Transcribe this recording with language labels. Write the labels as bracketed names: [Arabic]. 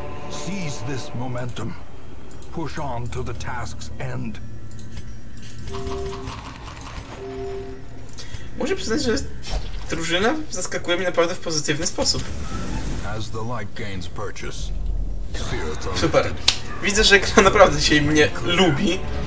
[English] Seize this momentum. Push on to the task's end. [Polish] Muszę przyznać, że drużyna zaskakuje mnie naprawdę w pozytywny sposób. [English] As the light gains purchase, spirits are... [Polish] Super. Widzę, że gra naprawdę się mnie lubi.